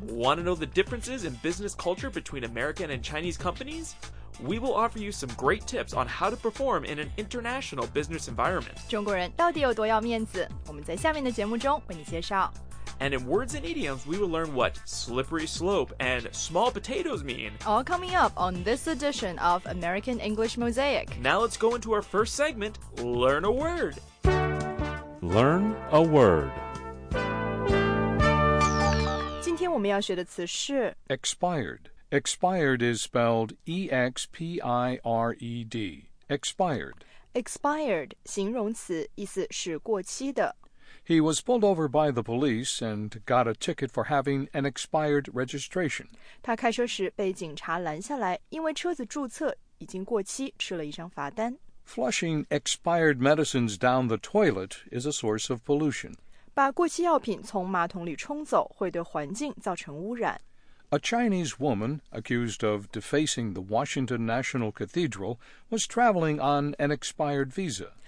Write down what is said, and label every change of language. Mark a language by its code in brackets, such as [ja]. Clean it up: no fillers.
[en] Want to know the differences in business culture between American and Chinese companies? We will offer you some great tips on how to perform in an international business environment. [zh] 中国人到底有多要面子？我们在下面的节目中为你介绍。 [en] And in words and idioms, we will learn what slippery slope and small potatoes mean. All coming up on this edition of American English Mosaic. Now let's go into our first segment, Learn a Word. Learn a Word. [zh] 今天我们要学的词是 [en] Expired. Expired is spelled E-X-P-I-R-E-D. Expired. [zh] Expired, 形容词，意思是过期的。 [en] He was pulled over by the police and got a ticket for having an expired registration. [zh] 他开车时被警察拦下来，因为车子注册已经过期，吃了一张罚单。 [en] Flushing expired medicines down the toilet is a source of pollution. [zh] 把过期药品从马桶里冲走会对环境造成污染。 [en] A Chinese woman accused of defacing the Washington National Cathedral was traveling on an expired visa.